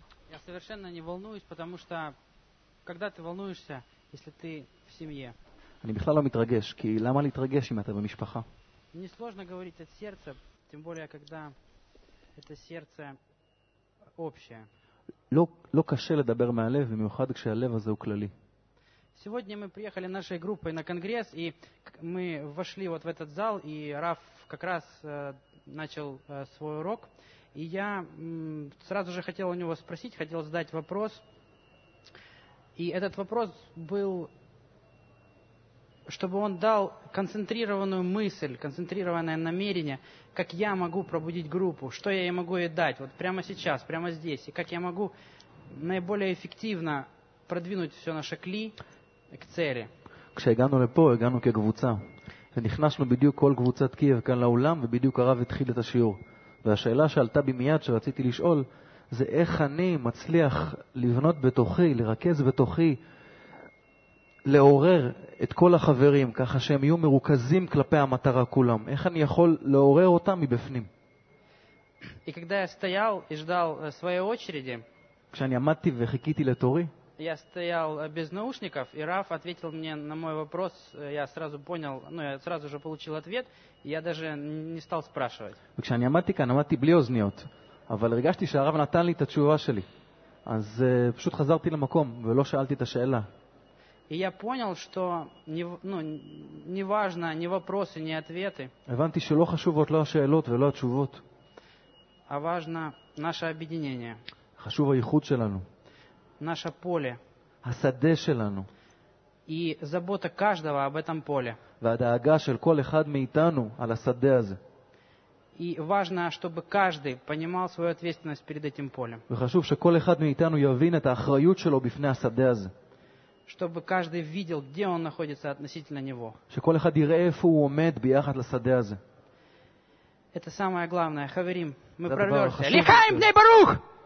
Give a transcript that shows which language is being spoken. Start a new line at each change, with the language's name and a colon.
Russian: Я совершенно не волнуюсь, потому что когда ты волнуешься, если ты в семье? Я вообще не волнуюсь, потому что почему волнуюсь, если ты в семье? Мне сложно говорить от сердца, тем более, когда это сердце общее.
Hebrew: לא קשה לדבר מהלב, במיוחד כשהלב הזה הוא כללי.
Russian: Сегодня мы приехали нашей группой на конгресс, и мы вошли вот в этот зал, и Раф как раз начал свой урок. И я сразу же хотел у него спросить, хотел задать вопрос. И этот вопрос был, чтобы он дал концентрированную мысль, концентрированное намерение, как я могу пробудить группу, что я ей могу ей дать, вот прямо сейчас, прямо здесь, и как я могу наиболее эффективно продвинуть все наше кли к цели.
Hebrew: כשהגענו לפה, הגענו כקבוצה. ונכנסנו בדיוק כל קבוצת קייב כאן לאולם, ובדיוק הרב התחיל את השיעור. והשאלה שעלתה בי מיד שרציתי לשאול, זה איך אני מצליח לבנות בתוכי, לרכז בתוכי, לעורר את כל החברים, ככה שהם יהיו מרוכזים כלפי המטרה כולם. איך אני יכול לעורר אותם מבפנים?
Russian: И когда я стоял и ждал своей очереди,
Hebrew: כשאני עמדתי וחיכיתי לתורי,
Russian: я стоял без наушников, и Раф ответил мне на мой вопрос, я сразу понял, ну, я сразу же получил ответ, и я даже не стал спрашивать.
Hebrew: וכשאני עמדתי כאן, עמדתי בלי אוזניות, אבל הרגשתי שהרב נתן לי את התשובה שלי. אז פשוט חזרתי למקום ולא שאלתי את השאלה.
Russian: И я понял, что не, ну, не важно ни вопросы, ни ответы.
Hebrew: הבנתי שלא חשובות לא השאלות ולא התשובות.
Russian: А важно наше объединение.
Hebrew: חשוב הייחוד שלנו.
Russian: Наше поле.
Hebrew: השדה שלנו.
Russian: И забота каждого об этом поле.
Hebrew: והדאגה של כל אחד מאיתנו על השדה הזה.
Russian: И важно, чтобы каждый понимал свою ответственность перед этим полем.
Hebrew: וחשוב שכל אחד מאיתנו יבין את האחריות שלו בפני השדה הזה.
Russian: Чтобы каждый видел, где он находится относительно него.
Hebrew: שכל אחד יראה איפה הוא עומד ביחד לשדה הזה.
Russian: Это самое главное. Хаверим, мы прорвемся. Лихаим, בני ברוך!